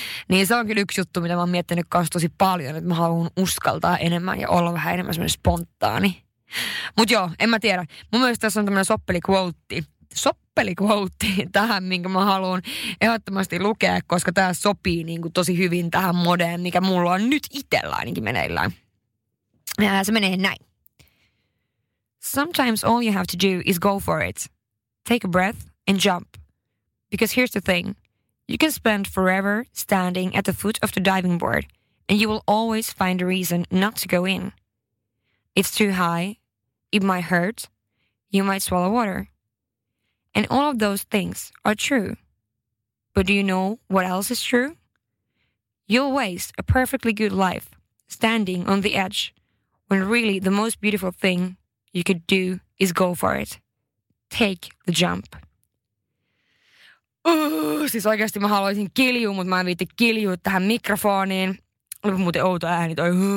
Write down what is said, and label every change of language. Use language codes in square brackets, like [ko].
[fi] Niin se on kyllä yksi juttu, mitä mä oon miettinyt kanssa tosi paljon, että mä haluan uskaltaa enemmän ja olla vähän enemmän semmoinen spontaani. Mut joo, en mä tiedä. Mun mielestä tässä on tämmönen soppeli quote tähän, minkä mä haluan ehdottomasti lukea, koska tää sopii niin kuin tosi hyvin tähän modeen, mikä mulla on nyt itsellä ainakin meneillään. Ja se menee näin. [en] Sometimes all you have to do is go for it. Take a breath and jump. Because here's the thing. You can spend forever standing at the foot of the diving board and you will always find a reason not to go in. It's too high. It might hurt. You might swallow water. And all of those things are true. But do you know what else is true? You'll waste a perfectly good life standing on the edge when really the most beautiful thing you could do is go for it. Take the jump. [fi] Siis oikeasti mä haluaisin kiljua, mutta mä en viitti kiljua tähän mikrofoniin. Olipa muuten outo ääni toi.